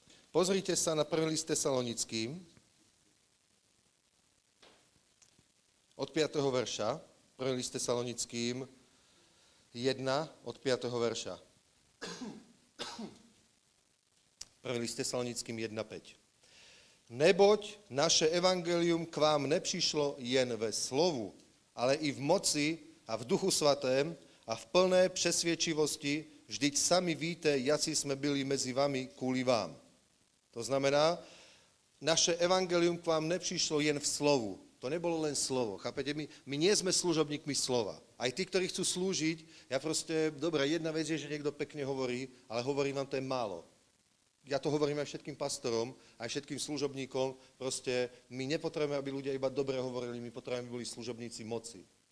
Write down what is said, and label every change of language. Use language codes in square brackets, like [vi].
[sk] Pozrite sa na prvý list Tesalonickým. Od 5. verša. Prvý list Tesalonickým 1 od 5. verša. Prvý list Tesalonickým 1:5. [cs] Neboť naše evangelium k vám nepřišlo jen ve slovu, ale i v moci a v duchu svatém a v plné přesvědčivosti, vždyť sami víte, jací jsme byli mezi vami kvůli vám. To znamená, naše evangelium k vám nepřišlo jen v slovu. [sk] To nebolo len slovo, chápete? My nie sme služobníkmi slova. Aj tí, ktorí chcú slúžiť, ja proste, dobre, jedna vec je, že niekto pekne hovorí, ale hovorím vám, to je málo. Ja to hovorím aj všetkým pastorom, aj všetkým služobníkom, proste my nepotrebujeme, aby ľudia iba dobre hovorili, my potrebujeme, aby boli služobníci moci.